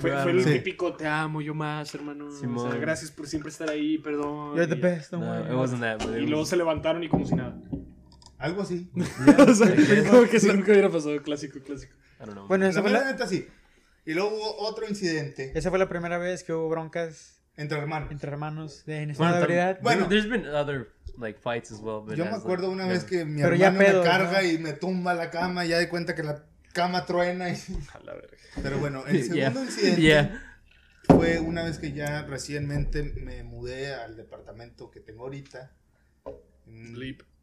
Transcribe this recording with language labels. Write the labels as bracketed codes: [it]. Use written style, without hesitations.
[es] Fue el típico, te amo yo más, hermano. Sí, o sea, gracias por siempre estar ahí, perdón. [en] You're the best, don't worry. It wasn't that, but [es] y luego se levantaron y como si nada. Algo así. Como que eso nunca hubiera pasado. Clásico. [en] I don't know. [es] Bueno, la verdad es así. Y luego hubo otro incidente. Esa fue la primera vez que hubo broncas entre hermanos de inestabilidad. [en] Bueno, there's been other like fights as well. [es] Yo me acuerdo una vez que mi hermano me carga y me tumba la cama y ya de cuenta que la cama truena y... A la verga. Pero bueno, el segundo incidente fue una vez que ya recientemente me mudé al departamento que tengo ahorita. Bleep.